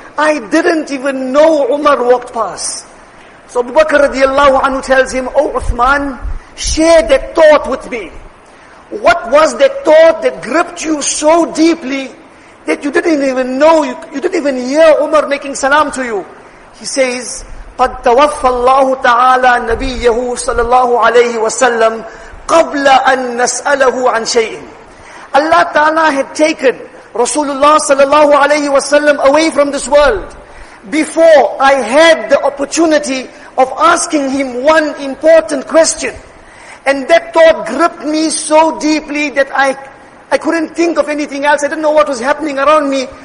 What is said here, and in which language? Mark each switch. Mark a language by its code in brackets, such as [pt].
[en] I didn't even know Umar walked past. So Abu Bakr radiallahu anhu tells him, oh Uthman, share that thought with me. What was that thought that gripped you so deeply that you didn't even know, you didn't even hear Umar making salam to you? He says, [ar] قَدْ تَوَفَّ اللَّهُ تَعَالَى نَبِيَّهُ صَلَى اللَّهُ عَلَيْهِ وَسَلَّمْ قَبْلَ أَن نَسْأَلَهُ عَنْ شَيْءٍ. [en] Allah Ta'ala had taken Rasulullah sallallahu alayhi wa sallam away from this world before I had the opportunity of asking him one important question. And that thought gripped me so deeply that I couldn't think of anything else. I didn't know what was happening around me.